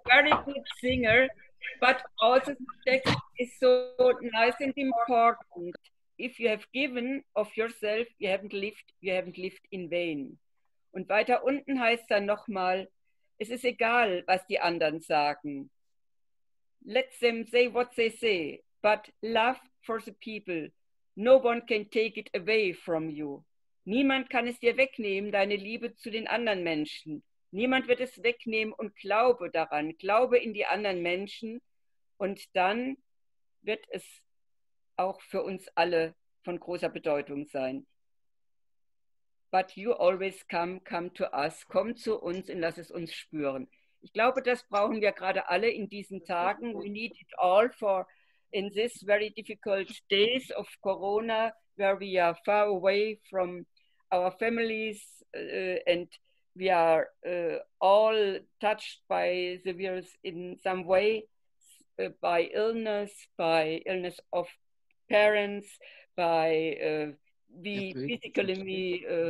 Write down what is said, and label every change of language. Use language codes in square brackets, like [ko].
[en] Very good singer, but also the text is so nice and important. If you have given of yourself, you haven't lived in vain. [de] Und weiter unten heißt dann nochmal, es ist egal, was die anderen sagen. [en] Let them say what they say, but love for the people. No one can take it away from you. [de] Niemand kann es dir wegnehmen, deine Liebe zu den anderen Menschen. Niemand wird es wegnehmen und glaube daran. Glaube in die anderen Menschen und dann wird es auch für uns alle von großer Bedeutung sein. [en] But you always come to us. [de] Komm zu uns und lass es uns spüren. Ich glaube, das brauchen wir gerade alle in diesen Tagen. [en] We need it all for in this very difficult days of Corona, where we are far away from our families and we are all touched by the virus in some way, by illness of parents, by physically